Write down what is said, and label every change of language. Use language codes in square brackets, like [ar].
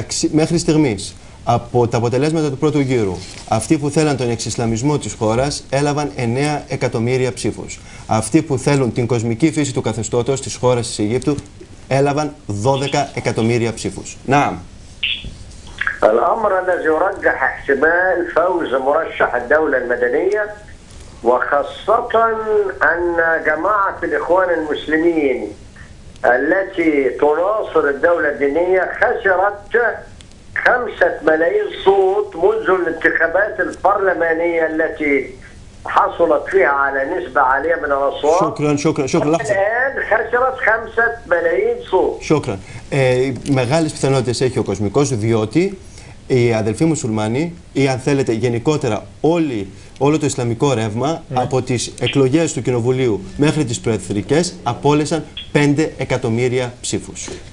[el] مέχρι στιγμής από τα αποτελέσματα του πρώτου γύρου, αυτοί που θέλαν τον εξισλαμισμό της χώρας έλαβαν 9 εκατομμύρια ψήφους. Αυτοί που θέλουν την κοσμική φύση του καθεστώτος της χώρας της Αιγύπτου έλαβαν 12 εκατομμύρια ψήφους. Να. [ar] الأمر الذي يرجح احتمال فوز مرشح الدولة المدنية وخاصة أن جماعة الإخوان المسلمين التي تناصر الدولة الدينية خسرت 5 ملايين صوت منذ الانتخابات البرلمانية التي حصلت فيها على نسبة عالية من الأصوات. شكرا. الآن خسرت 5 ملايين صوت. شكرا. [el] Μεγάλες πιθανότητες έχει ο κοσμικός, διότι οι αδελφοί μουσουλμάνοι ή αν θέλετε γενικότερα όλο το ισλαμικό ρεύμα από τις εκλογές του κοινοβουλίου μέχρι τις προεδρικές απόλυσαν 5 εκατομμύρια ψήφους.